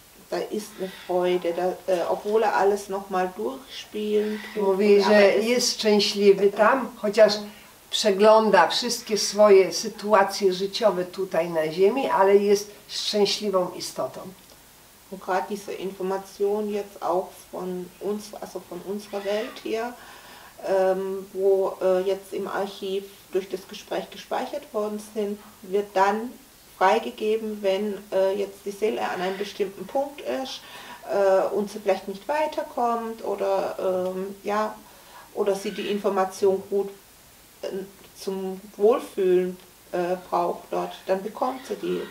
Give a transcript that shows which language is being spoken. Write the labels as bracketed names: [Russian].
[German] Da ist eine Freude, da, obwohl er alles nochmal durchspielen tut. [Polish] Mówi, że jest szczęśliwy tam, chociaż przegląda wszystkie swoje sytuacje życiowe tutaj na ziemi, ale jest szczęśliwą istotą. [German] Und gerade diese Information jetzt auch von uns, also von unserer Welt hier, wo jetzt im Archiv durch das Gespräch gespeichert worden sind, wird dann freigegeben, wenn jetzt die Seele an einem bestimmten Punkt ist und sie vielleicht nicht weiterkommt oder ja, oder sie die Information gut zum Wohlfühlen braucht dort, dann bekommt sie die.